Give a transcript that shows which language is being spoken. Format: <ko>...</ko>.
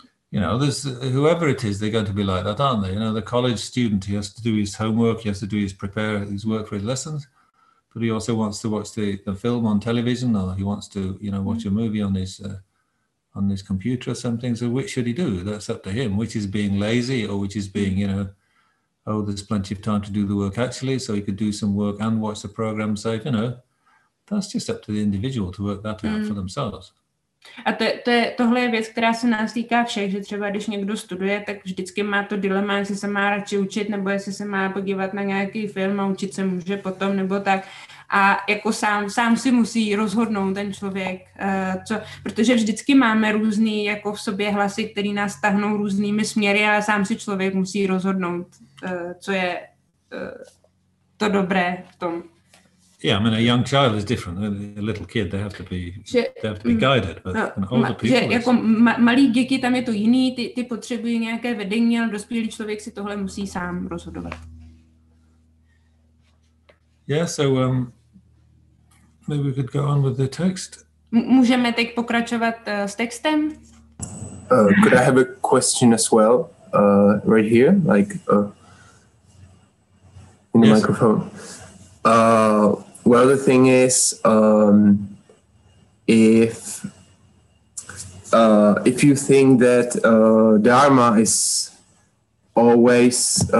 <en>You know, there's whoever it is, they're going to be like that, aren't they? You know, the college student, he has to do his homework, he has to do his prepare, his work for his lessons, but he also wants to watch the film on television, or he wants to, you know, watch a movie on his computer or something. So which should he do? That's up to him. Which is being lazy, or which is being, you know, oh, there's plenty of time to do the work actually, so he could do some work and watch the program safe. You know, that's just up to the individual to work that out for themselves.</en> <cs>A tohle je věc, která se nás týká všech, že třeba když někdo studuje, tak vždycky má to dilema, jestli se má radši učit, nebo jestli se má podívat na nějaký film a učit se může potom, nebo tak. A jako sám si musí rozhodnout ten člověk, protože vždycky máme různý jako v sobě hlasy, které nás tahnou různými směry, ale sám si člověk musí rozhodnout, co je to dobré v tom.</cs> <en>Yeah, I mean, a young child is different. A little kid, they have to be,</en> <cs>že,</cs> <en>they have to be guided. But older people,</en> <cs>jako malí děti, tam je to jiný, ty potřebují nějaké vedení, ale dospělý člověk si tohle musí sám rozhodovat.</cs> <en>Yeah, so maybe we could go on with the text.</en> <cs>Můžeme teď pokračovat s textem?</cs> <en>Could I have a question as well, right here, like in the microphone? Well, the thing is, if you think that Dharma is always</en>